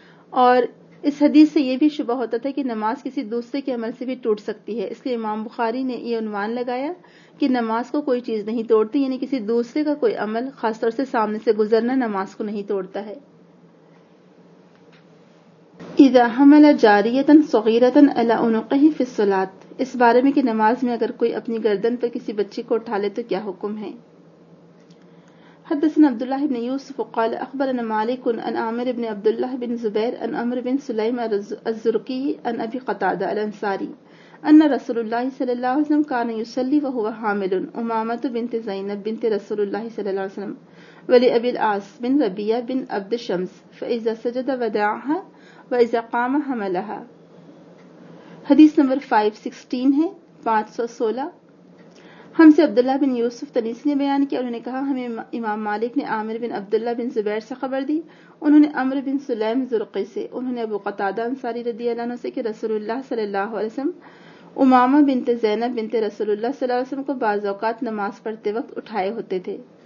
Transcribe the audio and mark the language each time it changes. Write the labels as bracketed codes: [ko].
[ur] اور اس حدیث سے یہ بھی شبہ ہوتا تھا کہ نماز کسی دوسرے کے عمل سے بھی ٹوٹ سکتی ہے, اس لیے امام بخاری نے یہ عنوان لگایا کہ نماز کو کوئی چیز نہیں توڑتی, یعنی کسی دوسرے کا کوئی عمل خاص طور سے سامنے سے گزرنا نماز کو نہیں توڑتا ہے. [ar] اذا حمل جاریتا صغیرۃ علی عنقہ فی الصلاۃ, [ur] اس بارے میں کہ نماز میں اگر کوئی اپنی گردن پر کسی بچے کو اٹھا لے تو کیا حکم ہے. [ar] حدثنا عبد الله بن يوسف قال اخبرنا مالك عن عامر بن عبد الله بن زبير عن عمرو بن سليم الزرقي عن ابي قتاده الانصاري ان رسول الله صلى الله عليه وسلم كان يصلي وهو حامل امامه بنت زينب بنت رسول الله صلى الله عليه وسلم ولابي العاص بن ربيعه بن عبد الشمس فاذا سجد ودعها واذا قام حملها. [ur] حديث نمبر 516 ہے 516. ہم سے عبداللہ بن یوسف تنیسی نے بیان کیا, انہوں نے کہا ہمیں امام مالک نے عامر بن عبداللہ بن زبیر سے خبر دی, انہوں نے عمرو بن سلیم زرقی سے, انہوں نے ابو قتادہ انصاری رضی اللہ عنہ سے کہ رسول اللہ صلی اللہ علیہ وسلم امامہ بنت زینب بنت رسول اللہ صلی اللہ علیہ وسلم کو بعض اوقات نماز پڑھتے وقت اٹھائے ہوتے تھے.